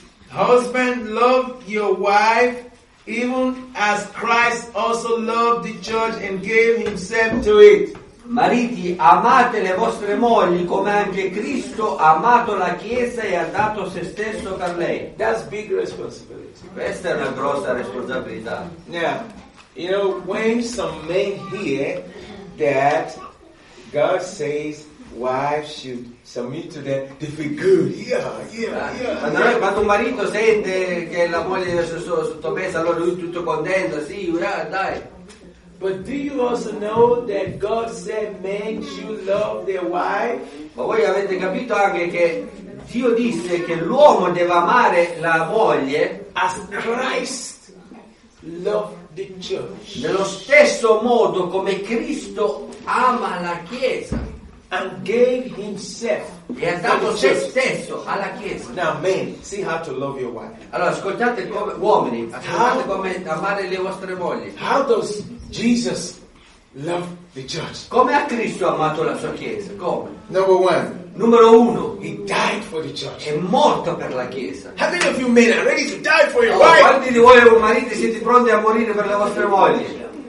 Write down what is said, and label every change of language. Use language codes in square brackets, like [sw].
[en] Husband, love your wife even as Christ also loved the church and gave himself to it. [it] Mariti, amate le vostre mogli come anche Cristo ha amato la chiesa e ha dato se stesso per lei. [en] That's big responsibility. [it] Questa è una grossa responsabilità. [en] Yeah. You know, when some men hear that God says wives should submit to them, they feel good. Yeah. [it] Quando un marito sente che la moglie deve essere sottomessa, allora lui tutto contento, sì, urah, dai. [en] But do you also know that God said men should love their wife? [it] Ma voi avete capito anche che Dio disse che l'uomo deve amare la moglie [en] as Christ loved the church. [it] Nello stesso modo come Cristo ama la chiesa. [en] And gave himself. [it] E ha dato se stesso alla chiesa. [en] Now men, see how to love your wife. [it] Allora ascoltate come uomini, ascoltate come amare le vostre mogli. [en] How does Jesus love the church? [it] Come ha Cristo amato la sua chiesa? Come? [en] Number one. [it] Numero uno. [en] He died for the church. [it] È morto per la chiesa. [en] How many of you men are ready to die for your wife? [it] Quanti di voi mariti siete pronti a morire per le vostre mogli?